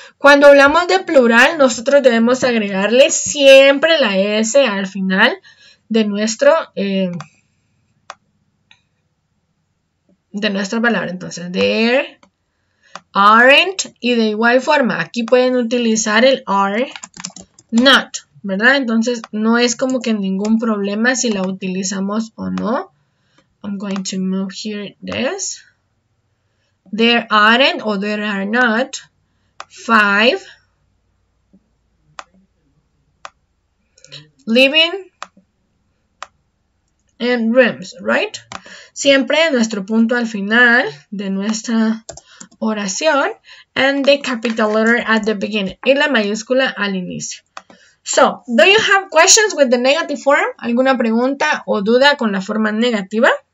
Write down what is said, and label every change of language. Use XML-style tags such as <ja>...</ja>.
<es>Cuando hablamos de plural, nosotros debemos agregarle siempre la S al final de nuestro, de nuestra palabra. Entonces,</es> <en>there aren't,</en> <es>y de igual forma, aquí pueden utilizar el are not, ¿verdad? Entonces, no es como que ningún problema si la utilizamos o no.</es> <en>I'm going to move here this. There aren't or there are not 5 living and rooms, right?</en> <es>Siempre nuestro punto al final de nuestra oración</es> <en>and the capital letter at the beginning</en> <es>y la mayúscula al inicio.</es> <en>So, do you have questions with the negative form?</en> <es>¿Alguna pregunta o duda con la forma negativa?</es>